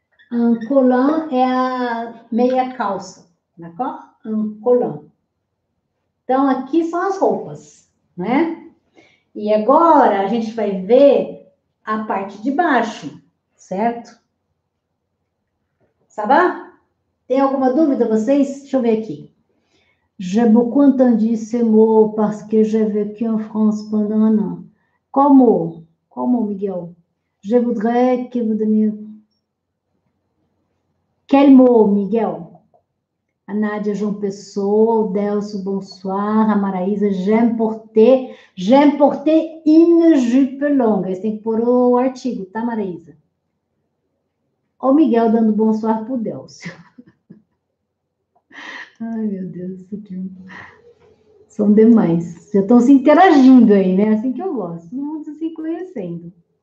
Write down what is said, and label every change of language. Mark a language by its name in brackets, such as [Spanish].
[Portuguese] Un colon é a meia calça, d'accord? Un colon. Então aqui são as roupas, né? E agora a gente vai ver a parte de baixo, certo? Sabá? Tem alguma dúvida vocês? Deixa eu ver aqui. [French] J'ai beaucoup entendu ce mot parce que j'ai vécu en France pendant un an. [Portuguese] Qual [French] mot, Miguel? Je voudrais que vous donniez. Quel mot, Miguel? A Nádia João Pessoa, o Delcio, bonsoir, a Maraísa, j'ai porté une jupe longue. [Portuguese] Você tem que pôr o artigo, tá, Maraísa? O Miguel dando bonsoir pro Delcio. Ai, meu Deus, que... são demais. Já estão se interagindo aí, né? Assim que eu gosto. Não se assim, conhecendo.